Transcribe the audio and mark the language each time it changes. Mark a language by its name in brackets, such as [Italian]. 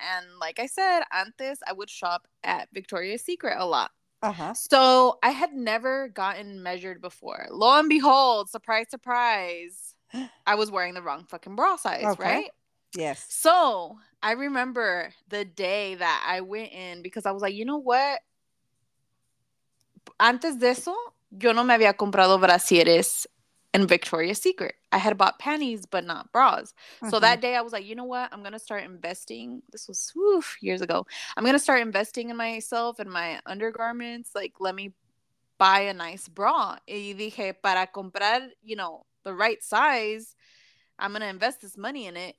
[English] And like I said, antes I would shop at Victoria's Secret a lot. So I had never gotten measured before. Lo and behold, surprise, surprise, I was wearing the wrong fucking bra size, Okay. right? Yes. So I remember the day that I went in because I was like, you know what? [Spanish] Antes de eso, yo no me había comprado brasieres in Victoria's Secret. [English] I had bought panties, but not bras. So that day, I was like, you know what? I'm gonna start investing. This was years ago. I'm gonna start investing in myself and my undergarments. Like, let me buy a nice bra. Y dije, para comprar, you know, the right size, I'm gonna invest this money in it.